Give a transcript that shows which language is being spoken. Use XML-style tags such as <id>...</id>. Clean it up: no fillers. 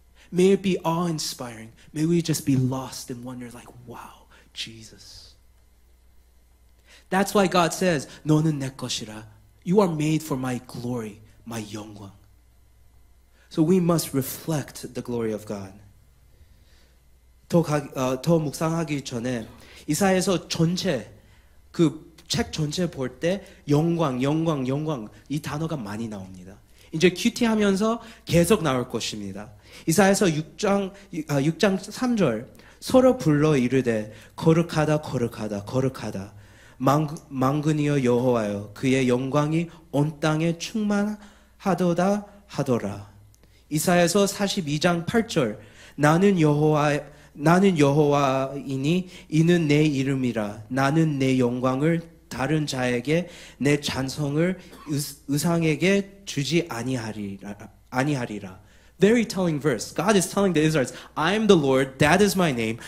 <en>May it be awe-inspiring. May we just be lost in wonder like, wow, Jesus. That's why God says,</en> <ko>너는 내 것이라.</ko> <en>You are made for my glory, my 영광. So we must reflect the glory of God.</en> <ko>더 묵상하기 전에 이사야서 전체 그 책 전체 볼 때 영광, 영광, 영광 이 단어가 많이 나옵니다. 이제 QT 하면서 계속 나올 것입니다. 이사야서 6장 3절 서로 불러 이르되 거룩하다, 거룩하다, 거룩하다. 만군이여 여호와여 그의 영광이 온 땅에 충만하도다 하더라. 이사야서 42장 8절 나는 여호와이니 이는 내 이름이라. 나는 내 영광을 다른 자에게 내 찬송을 우상에게 주지 아니하리라.</ko> <en>Very telling verse. God is telling the Israelites, I am the Lord, that is my name.</en>